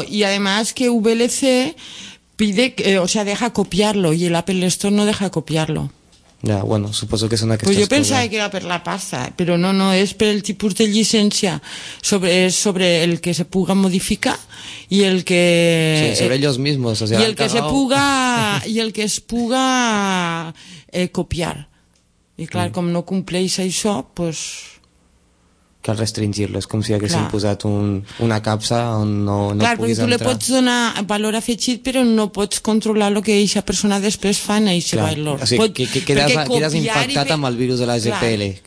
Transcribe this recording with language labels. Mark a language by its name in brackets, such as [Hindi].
[Spanish] Y además que VLC pide, o sea, deja copiarlo, y el Apple Store no deja copiarlo. [Catalan] Ja, bueno, suposo que són aquestes coses. [Spanish] Pues yo pensaba que era [Catalan] per la pasta, però no, és per el tipus de llicència sobre el que se puga modificar i el que... [Spanish] Sí, sobre ellos mismos. O sea, [Catalan] i el que se puga, i el que es puga copiar. I clar, com no compleix això, pues... Cal restringir-lo, és com si haguéssim posat una capsa on no clar, puguis entrar. Clar, perquè tu li pots donar valor afegit, però no pots controlar el que aquesta persona després fa en aquest valor. O sigui, quedes infectat amb el virus de la GPL.